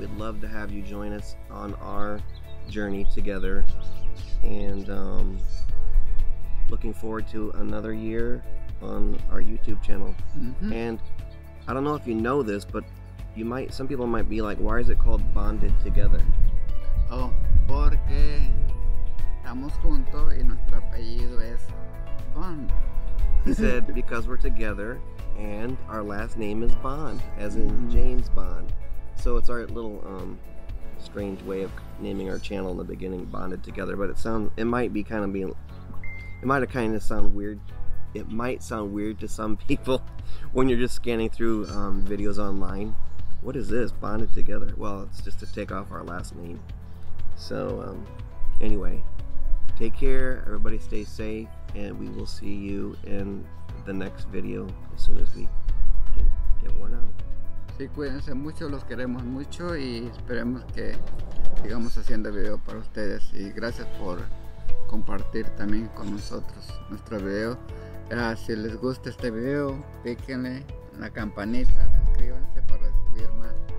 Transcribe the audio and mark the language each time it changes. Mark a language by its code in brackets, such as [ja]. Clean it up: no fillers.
[en] We'd love to have you join us on our journey together, and looking forward to another year on our YouTube channel. Mm-hmm. And I don't know if you know this, but some people might be like, why is it called Bonded Together? [es] Oh, porque estamos juntos y nuestro apellido es Bond. [en] He said, because we're together and our last name is Bond, as in James Bond. So it's our little strange way of naming our channel in the beginning, Bonded Together. But it might sound weird to some people when you're just scanning through videos online. What is this, Bonded Together? Well, it's just to take off our last name. So anyway, take care, everybody, stay safe, and we will see you in the next video as soon as we can get one out. [es] Sí, cuídense mucho, los queremos mucho y esperemos que sigamos haciendo video para ustedes. Y gracias por compartir también con nosotros nuestro video. Si les gusta este video, píquenle en la campanita, suscríbanse para recibir más.